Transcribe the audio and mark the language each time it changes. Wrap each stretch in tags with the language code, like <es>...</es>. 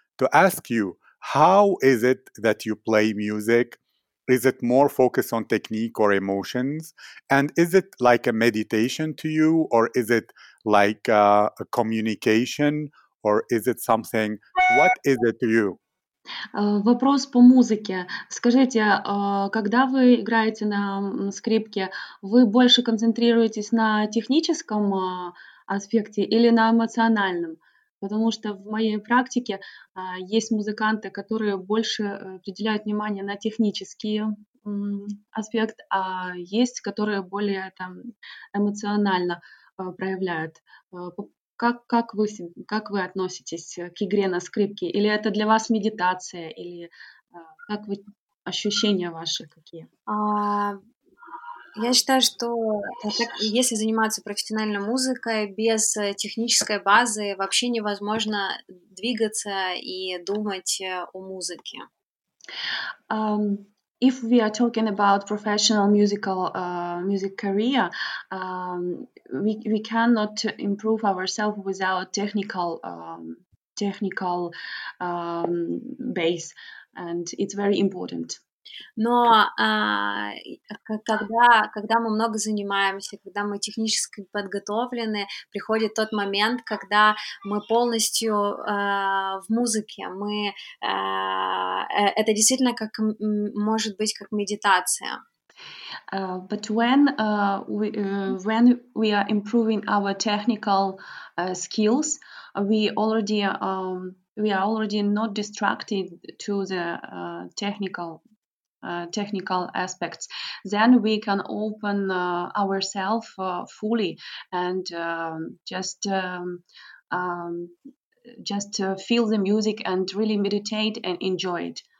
<en>To ask you, how is it that you play music? Is it more focused on technique or emotions? And is it like a meditation to you, or is it like a communication, or is it something? What is it to you?</en> <ru>Вопрос по музыке. Скажите, когда вы играете на скрипке, вы больше концентрируетесь на техническом аспекте или на эмоциональном? Потому что в моей практике есть музыканты, которые больше уделяют внимание на технический аспект, а есть, которые более там эмоционально проявляют. Как вы относитесь к игре на скрипке? Или это для вас медитация? Или как вы, ощущения ваши какие? Я считаю, что если заниматься профессиональной музыкой, без технической базы вообще невозможно двигаться и думать о музыке.</ru> <en>If we are talking about professional musical music career, we cannot improve ourselves without technical base, and it's very important.</en> <ru>Но когда мы много занимаемся, когда мы технически подготовлены, приходит тот момент, когда мы полностью в музыке, мы это действительно как может быть как медитация.</ru> <en>But when we are improving our technical skills, we are already not distracted to the technical aspects, then we can open ourselves fully and just feel the music and really meditate and enjoy it.</en>